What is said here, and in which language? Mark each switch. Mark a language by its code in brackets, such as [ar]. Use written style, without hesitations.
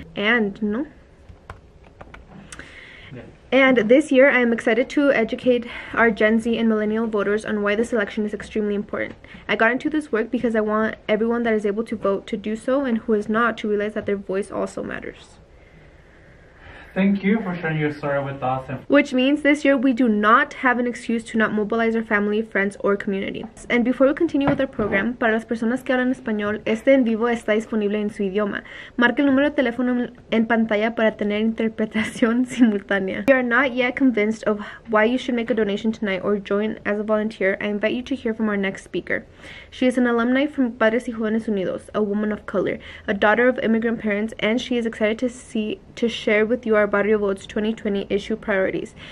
[en] And this year I am excited to educate our Gen Z and millennial voters on why this election is extremely important. I got into this work because I want everyone that is able to vote to do so and who is not to realize that their voice also matters. Thank you for sharing your story with us. Which means this year we do not have an excuse to not mobilize our family, friends, or community. And before we continue with our program, [es] para las personas que hablan español, este en vivo está disponible en su idioma. Marque el número de teléfono en pantalla para tener interpretación simultánea. [en] If you are not yet convinced of why you should make a donation tonight or join as a volunteer, I invite you to hear from our next speaker. She is an alumni from Padres y Jóvenes Unidos, a woman of color, a daughter of immigrant parents, and she is excited to share with you our our Barrio Votes 2020 issue priorities.